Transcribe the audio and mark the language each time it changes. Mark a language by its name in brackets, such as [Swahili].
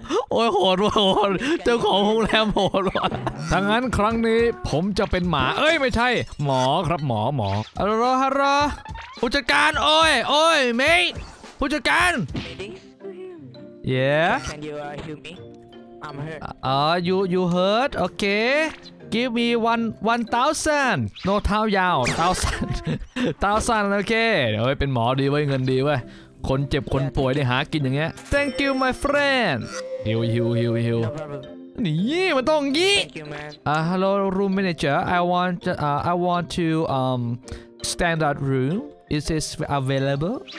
[Thai] โอ้ยโหดโหดเจ้าของโรงแรมโหดว่ะ ถ้างั้นครั้งนี้ผมจะเป็นหมาเอ้ยไม่ใช่หมอครับหมอ รอฮารอผู้จัดการโอ้ยเมย์ผู้จัดการเย้ [English] Can you hear me? I'm hurt you hurt okay give me one thousand [Thai] no เท้ายาว1,000 okay เฮ้ยเป็นหมอดีเว้ยเงินดีเว้ยคนเจ็บคนป่วยได้หากินอย่างเงี้ย [English] Thank you my friend [Thai] Heal นี่มันต้องงี้ [English] Hello room manager I want to standard room is this available